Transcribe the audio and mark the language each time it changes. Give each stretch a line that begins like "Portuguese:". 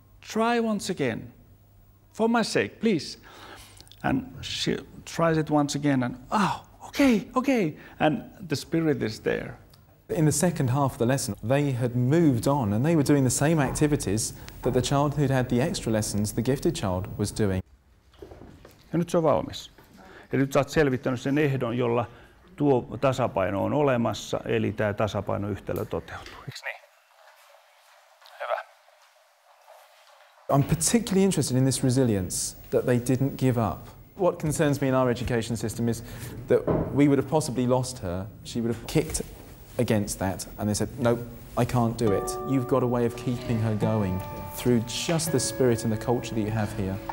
English: Try once again, for my sake, please. And she tries it once again, and okay. And the spirit is there. In the second half of the lesson, they had moved on and they were doing the same activities that the child who'd had the extra lessons, the gifted child, was doing.
Finnish: Ja nyt se on valmis. Ja nyt sä oot selvittänyt sen ehdon, jolla tuo tasapaino on olemassa, eli tämä tasapainoyhtälö toteutuu. Eiks niin? Hyvä.
English: I'm particularly interested in this resilience, that they didn't give up. What concerns me in our education system is that we would have possibly lost her, she would have kicked against that, and they said, nope, I can't do it. You've got a way of keeping her going through just the spirit and the culture that you have here.